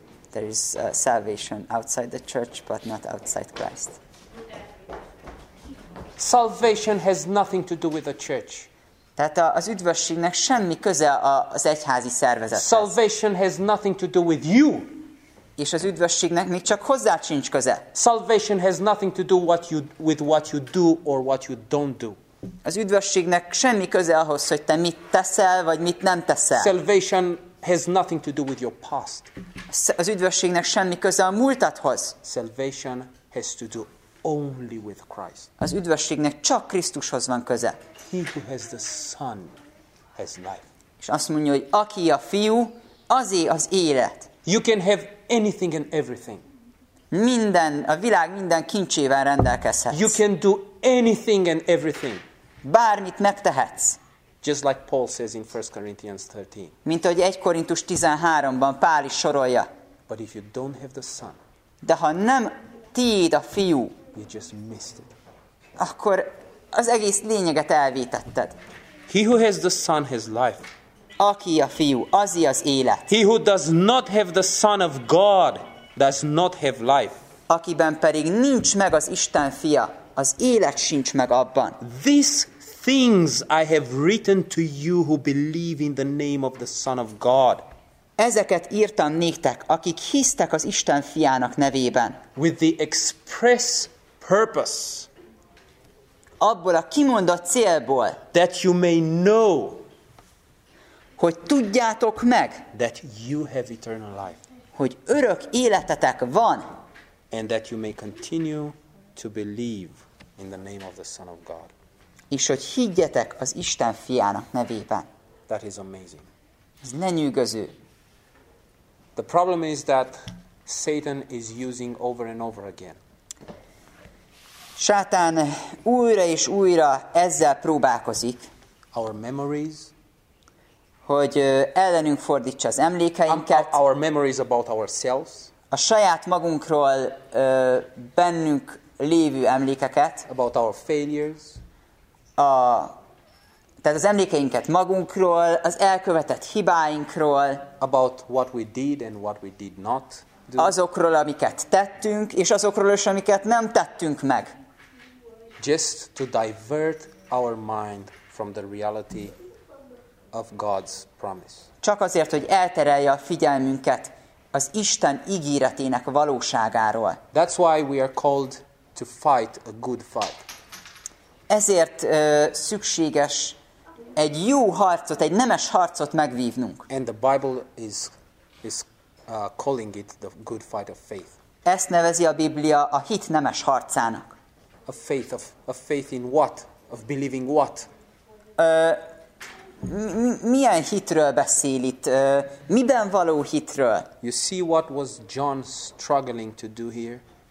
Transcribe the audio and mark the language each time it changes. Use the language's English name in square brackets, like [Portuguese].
[English] There is salvation outside the church, but not outside Christ. Salvation has nothing to do with the church. [Hungarian] Tehát az üdvösségnek semmi köze az egyházi szervezethez. [English] Salvation has nothing to do with you. [Hungarian] És az üdvösségnek még csak hozzá sincs köze. [English] Salvation has nothing to do with what you do or what you don't do. [Hungarian] Az üdvösségnek semmi köze ahhoz, hogy te mit teszel vagy mit nem teszel. [English] Salvation has nothing to do with your past. [Hungarian] Az üdvösségnek semmi köze a múltadhoz. [English] Salvation has to do only with Christ. [Hungarian] Az üdvösségnek csak Krisztushoz van köze. [English] He who has the Son has life. [Hungarian] És azt mondja, hogy aki a fiú, azé az élet. [English] You can have anything and everything. [Hungarian] Minden, a világ minden kincsével rendelkezhetsz. [English] You can do anything and everything. [Hungarian] Bármit megtehetsz. [English] Just like Paul says in 1 Corinthians 13. [Hungarian] Mint ahogy 1 Korintus 13-ban Pál is sorolja. [English] But if you don't have the Son, [Hungarian] de ha nem tiéd a fiú, [English] you just missed it. [Hungarian] Akkor az egész lényeget elvétetted. [English] He who has the Son has life. [Hungarian] Aki a fiú, azi az élet. [English] He who does not have the Son of God does not have life. [Hungarian] Akiben pedig nincs meg az Isten fia, az élet sincs meg abban. [English] These things I have written to you who believe in the name of the Son of God. [Hungarian] Ezeket írtam néktek, akik hisztek az Isten fiának nevében. [English] With the express purpose. [Hungarian] Abból a kimondott célból. [English] That you may know. [Hungarian] Hogy tudjátok meg, [English] that you have eternal life, [Hungarian] hogy örök életetek van, [English] and that you may continue to believe in the name of the Son of God. [Hungarian] És hogy higgyetek az Isten fiának nevében. [English] That is amazing. [Hungarian] Ez lenyűgöző. [English] The problem is that Satan is using over and over again. [Hungarian] Sátán újra és újra ezzel próbálkozik. [English] Our memories, [Hungarian] hogy ellenünk fordítsa az emlékeinket, [English] our memories about ourselves, [Hungarian] a saját magunkról bennünk lévő emlékeket, [English] about our failures, [Hungarian] tehát az emlékeinket magunkról, az elkövetett hibáinkról, [English] about what we did and what we did not do, [Hungarian] azokról, amiket tettünk, és azokról is, amiket nem tettünk meg. [English] Just to divert our mind from the reality of God's promise. [Hungarian] Csak azért, hogy elterelje a figyelmünket az Isten ígéretének valóságáról. [English] That's why we are called to fight a good fight. [Hungarian] Ezért szükséges egy jó harcot, egy nemes harcot megvívnunk. [English] And the Bible is calling it the good fight of faith. [Hungarian] Ezt nevezi a Biblia a hit nemes harcának. [English] A faith in what? Of believing what? [Hungarian] Milyen hitről beszél itt? Miben való hitről? [English] You see what was John struggling to do here?